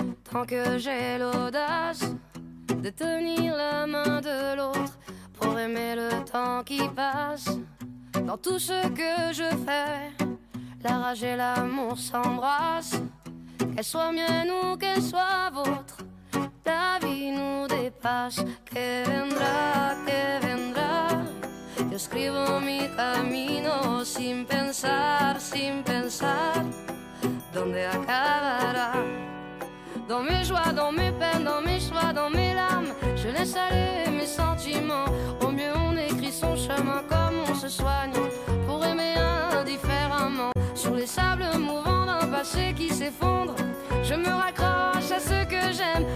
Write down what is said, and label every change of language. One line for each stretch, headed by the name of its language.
French: Tant que j'ai l'audace de tenir la main de l'autre pour aimer le temps qui passe dans tout ce que je fais, la rage et l'amour s'embrassent. Qu'elle soit mienne ou qu'elle soit vôtre, la vie nous dépasse.
Spanish: Que vendra, que vendra. Yo escribo mi camino sin pensar, sin pensar dónde acabará.
French: Dans mes joies, dans mes peines, dans mes choix, dans mes larmes, je laisse aller mes sentiments. Au mieux on écrit son chemin comme on se soigne pour aimer indifféremment. Sur les sables mouvants d'un passé qui s'effondre, je me raccroche à ce que j'aime.